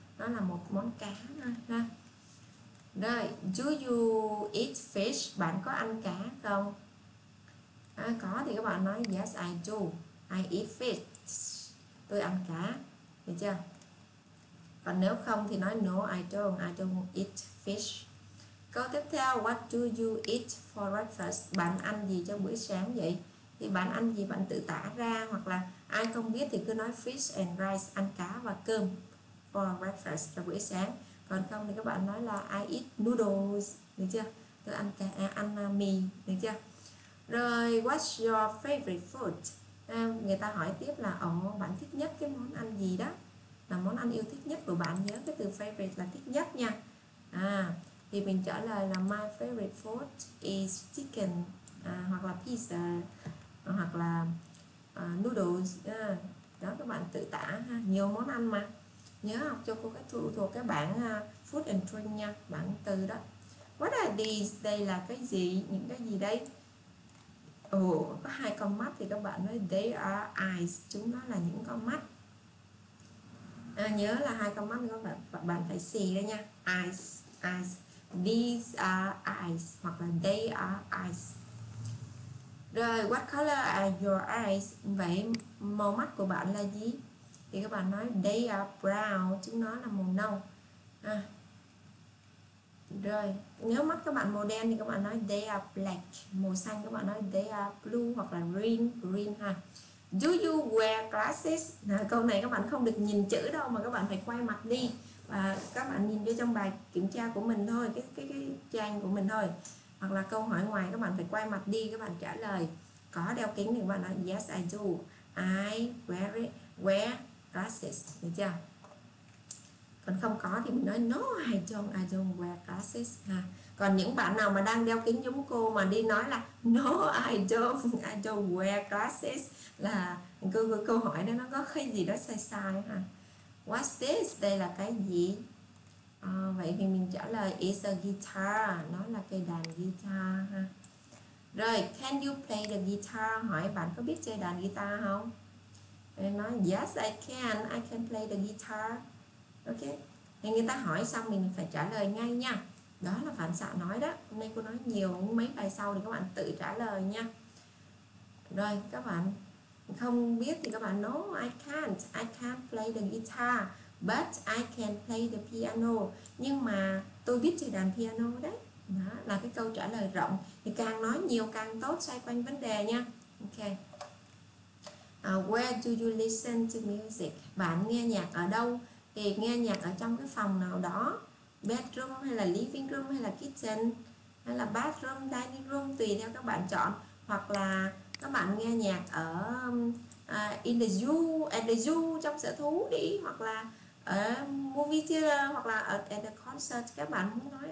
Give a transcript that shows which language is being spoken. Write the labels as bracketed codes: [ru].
[vi] Nó là một món cá ha. Rồi, [en] do you eat fish? [vi] Bạn có ăn cá không? Có thì các bạn nói [en] yes I do, I eat fish. [vi] Tôi ăn cá, được chưa? Còn nếu không thì nói [en] no I don't eat fish. [vi] Câu tiếp theo, [en] what do you eat for breakfast? [vi] Bạn ăn gì cho bữa sáng vậy? Thì bạn ăn gì bạn tự tả ra, hoặc là ai không biết thì cứ nói [en] fish and rice, [vi] ăn cá và cơm [en] for breakfast [vi] cho bữa sáng. Còn không thì các bạn nói là [en] I eat noodles, [vi] được chưa? Tôi ăn cà, ăn mì, được chưa? Rồi, [en] what's your favorite food? [vi] Người ta hỏi tiếp là bạn thích nhất cái món ăn gì đó? Là món ăn yêu thích nhất của bạn, nhớ cái từ favorite là thích nhất nha. Thì mình trả lời là [en] my favorite food is chicken, [vi] hoặc là pizza, hoặc là noodles. Đó, các bạn tự tả ha, nhiều món ăn mà. Nhớ học cho cô cái thuộc cái bảng food and drink nha, bảng từ đó. [en] What are these? [vi] Đây là cái gì? Những cái gì đây? Có hai con mắt thì các bạn nói [en] they are eyes, [vi] chúng nó là những con mắt. Nhớ là hai con mắt các bạn phải xì ra nha. [en] Eyes. These are eyes [vi] hoặc là [en] they are eyes. Rồi, what color are your eyes? [vi] Vậy màu mắt của bạn là gì? Thì các bạn nói [en] they are brown, [vi] chúng nó là màu nâu. Rồi, nếu mắt các bạn màu đen thì các bạn nói [en] they are black. [vi] Màu xanh các bạn nói [en] they are blue [vi] hoặc là green ha. [en] Do you wear glasses? [vi] Câu này các bạn không được nhìn chữ đâu mà các bạn phải quay mặt đi. Và các bạn nhìn vô trong bài kiểm tra của mình thôi, cái trang của mình thôi. Hoặc là câu hỏi ngoài các bạn phải quay mặt đi, các bạn trả lời có đeo kính thì các bạn nói [en] yes I do, I wear it. Wear glasses, [vi] được chưa? Còn không có thì mình nói [en] no, I don't wear glasses [vi] ha. Còn những bạn nào mà đang đeo kính giống cô mà đi nói là [en] no, I don't wear glasses [vi] là câu hỏi đó nó có cái gì đó sai sai ha. [en] What's this? [vi] Đây là cái gì? Vậy thì mình trả lời [en] it's a guitar, [vi] nó là cây đàn guitar ha. [en] Rồi, can you play the guitar? [vi] Hỏi bạn có biết chơi đàn guitar không? Em nói [en] yes I can play the guitar. [vi] Ok, thì người ta hỏi xong mình phải trả lời ngay nha. Đó là phản xạ nói đó. Hôm nay cô nói nhiều, mấy bài sau thì các bạn tự trả lời nha. Rồi, các bạn không biết thì các bạn [en] no I can't play the guitar, but I can play the piano. [vi] Nhưng mà tôi biết chơi đàn piano đấy. Đó là cái câu trả lời rộng, thì càng nói nhiều càng tốt, xoay quanh vấn đề nha. [en] Ok. Where do you listen to music? [vi] Bạn nghe nhạc ở đâu? Thì nghe nhạc ở trong cái phòng nào đó, bedroom hay là living room hay là kitchen hay là bathroom, dining room, tùy theo các bạn chọn. Hoặc là các bạn nghe nhạc ở [en] in the zoo [vi] trong sở thú đi, hoặc là ở movie theater, hoặc là [en] at the concert. [vi] Các bạn muốn nói